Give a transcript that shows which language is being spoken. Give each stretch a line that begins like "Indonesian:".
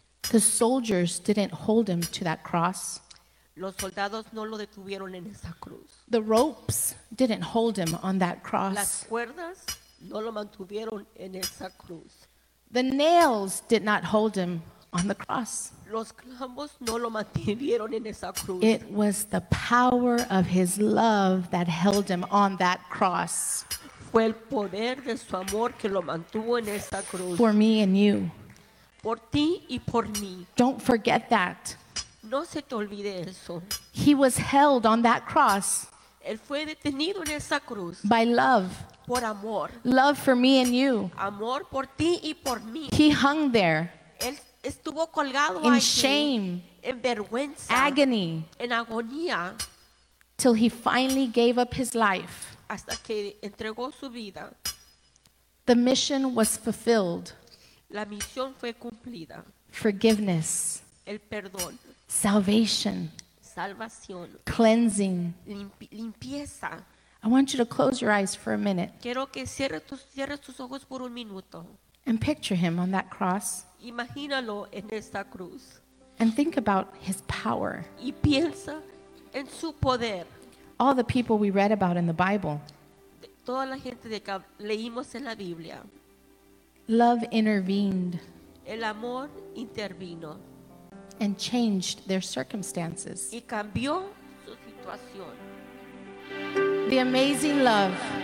English: The soldiers didn't hold him to that cross.
Spanish: Los soldados no lo detuvieron en esa cruz.
English: The ropes didn't hold him on that cross.
Spanish: Las cuerdas no lo mantuvieron en esa cruz.
English: The nails did not hold him on the cross.
Spanish: Los clavos no lo mantuvieron en esa cruz.
English: It was the power of his love that held him on that cross.
Spanish: Fue el poder de su amor que lo mantuvo en esa cruz.
English: For me and you.
Spanish: Por ti y por mí.
English: Don't forget that.
Spanish: No se te olvide eso.
English: He was held on that cross.
Spanish: Él fue detenido en esa cruz.
English: By love.
Spanish: Por amor.
English: Love for me and you.
Spanish: Amor por ti y por mí.
English: He hung there.
Spanish: Él estuvo colgado
English: in
Spanish: allí,
English: shame,
Spanish: en vergüenza,
English: agony,
Spanish: en agonía,
English: till he finally gave up his life.
Spanish: Hasta que entregó su vida.
English: The mission was fulfilled.
Spanish: La misión fue cumplida.
English: Forgiveness.
Spanish: El perdón.
English: Salvation.
Spanish: Salvación.
English: Cleansing.
Spanish: Limpieza.
English: I want you to close your eyes for a minute.
Spanish: Quiero que cierres tus ojos por un minuto.
English: And picture him on that cross.
Spanish: Imagínalo en esta cruz.
English: And think about his power.
Spanish: Y piensa en su poder.
English: All the people we read about in the Bible.
Spanish: Toda la gente de que leímos en la Biblia.
English: Love intervened.
Spanish: El amor intervino.
English: And changed their circumstances.
Spanish: Y cambió su situación.
English: The amazing love.